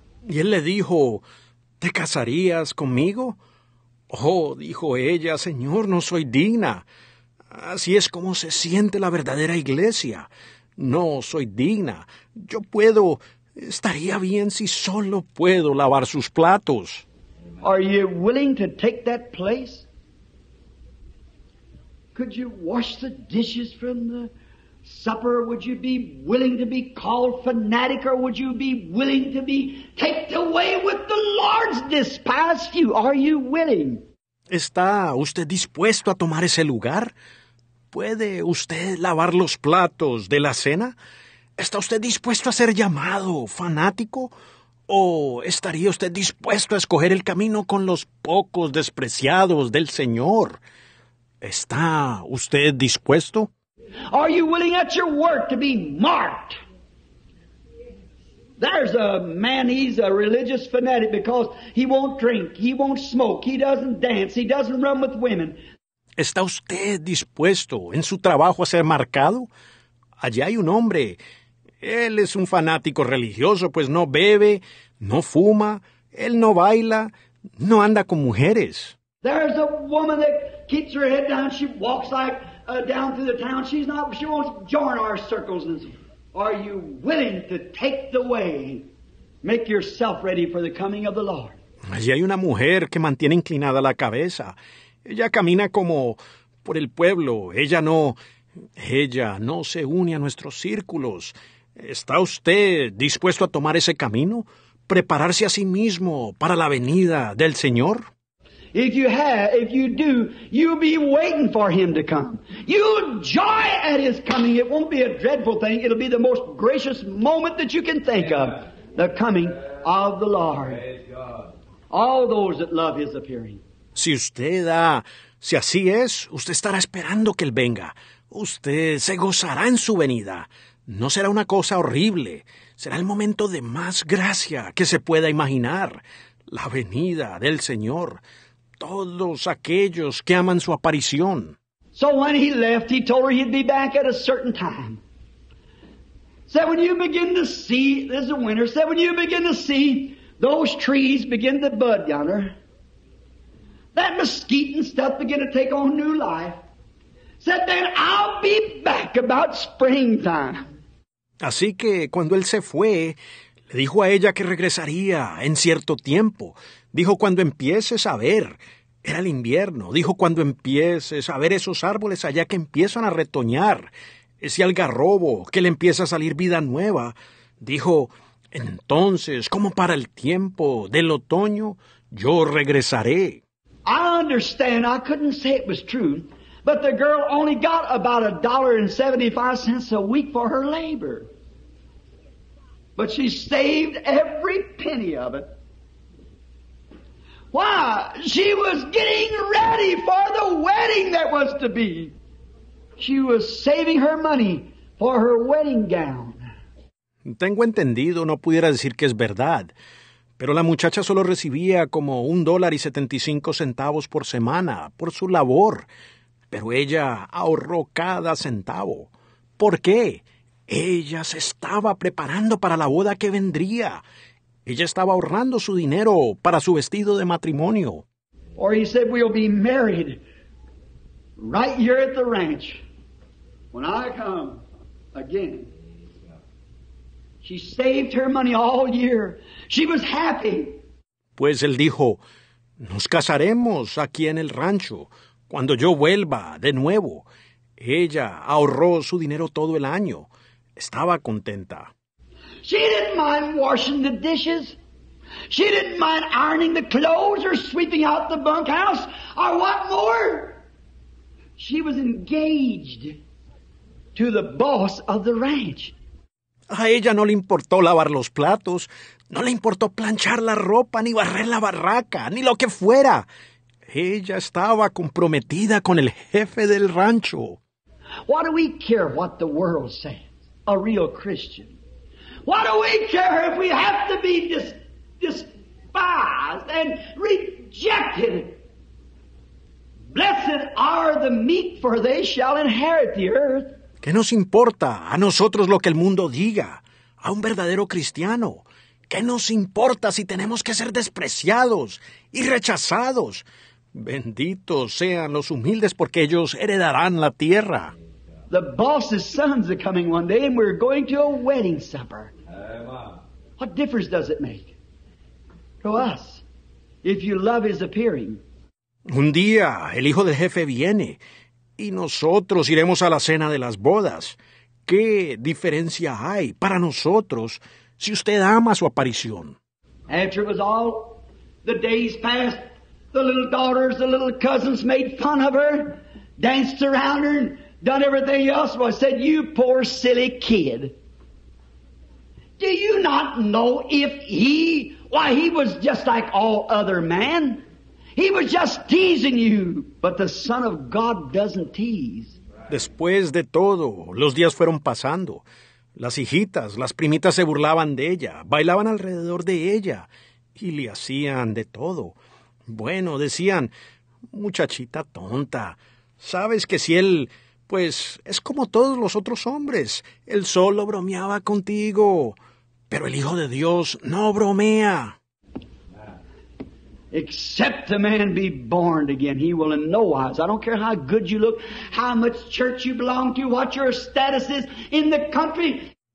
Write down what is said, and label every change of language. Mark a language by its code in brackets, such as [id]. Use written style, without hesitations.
[es] Y él le dijo, ¿te casarías conmigo? Oh, dijo ella, señor, no soy digna. Así es como se siente la verdadera iglesia. No soy digna. Yo puedo, estaría bien si solo puedo lavar sus platos. [en] Are you willing to take that place? Could you wash the dishes from the supper? Would you be willing to be called fanatic? Or would you be willing to be taken away with the Lord's despised you? Are you willing? [es] ¿Está usted dispuesto a tomar ese lugar? ¿Puede usted lavar los platos de la cena? ¿Está usted dispuesto a ser llamado fanático? ¿O estaría usted dispuesto a escoger el camino con los pocos despreciados del Señor? ¿Está usted dispuesto? [en] Are you willing at your work to be marked? There's a man, he's a religious fanatic because he won't drink, he won't smoke, he doesn't dance, he doesn't run with women. [es] ¿Está usted dispuesto en su trabajo a ser marcado? Allí hay un hombre, él es un fanático religioso, pues no bebe, no fuma, él no baila, no anda con mujeres. [en] There's a woman that keeps her head down. She walks like down through the town. She's not. She won't join our circles. Are you willing to take the way? Make yourself ready for the coming of the Lord. [es] Allí hay una mujer que mantiene inclinada la cabeza. Ella camina como por el pueblo. Ella no se une a nuestros círculos. ¿Está usted dispuesto a tomar ese camino? ¿Prepararse a sí mismo para la venida del Señor? [en] If you do, you'll be waiting for him to come. You'll joy at his coming. It won't be a dreadful thing. It'll be the most gracious moment that you can think of. The coming of the Lord. Praise God. All those that love his appearing. [es] Si así es, usted estará esperando que él venga. Usted se gozará en su venida. No será una cosa horrible. Será el momento de más gracia que se pueda imaginar. La venida del Señor. Todos aquellos que aman su aparición. [en] So when he left, he told her he'd be back at a certain time. Said, when you begin to see, this is a winter, said, when you begin to see those trees begin to bud yonder, that mesquite and stuff begin to take on new life, said, then I'll be back about springtime. [es] Así que cuando él se fue, le dijo a ella que regresaría en cierto tiempo. Dijo, cuando empieces a ver, era el invierno. Dijo, cuando empieces a ver esos árboles allá que empiezan a retoñar, ese algarrobo que le empieza a salir vida nueva. Dijo, entonces, como para el tiempo del otoño, yo regresaré. [en] I understand, I couldn't say it was true, but the girl only got about $1.75 a week for her labor. But she saved every penny of it. Why? She was getting ready for the wedding that was to be. She was saving her money for her wedding gown. [es] Tengo entendido, no pudiera decir que es verdad, pero la muchacha solo recibía como $1.75 por semana por su labor, pero ella ahorró cada centavo. ¿Por qué? Ella se estaba preparando para la boda que vendría. Ella estaba ahorrando su dinero para su vestido de matrimonio. [en] Or he said, we'll be married right here at the ranch when I come again. She saved her money all year. She was happy. [es] Pues él dijo, nos casaremos aquí en el rancho cuando yo vuelva de nuevo. Ella ahorró su dinero todo el año. Estaba contenta. [en] She didn't mind washing the dishes. She didn't mind ironing the clothes or sweeping out the bunkhouse or what more. She was engaged to the boss of the ranch. [es] A ella no le importó lavar los platos, no le importó planchar la ropa, ni barrer la barraca, ni lo que fuera. Ella estaba comprometida con el jefe del rancho. [en] What do we care what the world says? A real Christian. What do we care if we have to be despised and rejected? Blessed are the meek, for they shall inherit the earth. [es] ¿Qué nos importa a nosotros lo que el mundo diga? A un verdadero cristiano, ¿qué nos importa si tenemos que ser despreciados y rechazados? Benditos sean los humildes porque ellos heredarán la tierra. [en] The boss's sons are coming one day and we're going to a wedding supper. What difference does it make to us if you love his appearing? [es] Un día el hijo del jefe viene. Y nosotros iremos a la cena de las bodas. ¿Qué diferencia hay para nosotros si usted ama su aparición? [en] After it was all, the days passed, the little daughters, the little cousins made fun of her, danced around her, done everything else, but said, you poor silly kid. Do you not know if he, why he was just like all other men? He was just teasing you, but the Son of God doesn't tease. [es] Después de todo, los días fueron pasando. Las hijitas, las primitas se burlaban de ella, bailaban alrededor de ella y le hacían de todo. Bueno, decían, muchachita tonta, sabes que si él, pues, es como todos los otros hombres, él solo bromeaba contigo, pero el Hijo de Dios no bromea. [en] Except the man be born again, he will in no wise. I don't care how good you look, how much church you belong to, what your status is in the country.